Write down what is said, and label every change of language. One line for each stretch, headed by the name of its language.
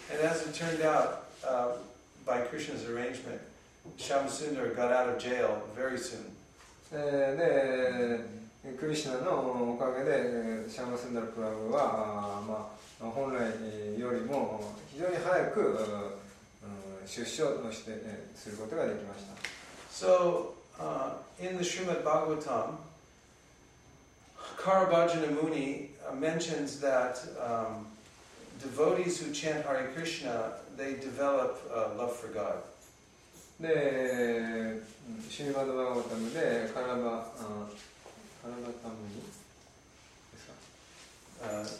English: And as it turned out, by Krishna's arrangement,Shamsundar got out of jail very soon.
Japanese: で、クリシナのおかげで、シャムスンダルプラブは、本来よりも非常に早く、出所して、することができました。
English: So, in the Srimad Bhagavatam, Karabhajana Muni mentions that devotees who chant Hare Krishna, they develop love for God.
Japanese: で、シリバドバガタムでカラバタムにですか。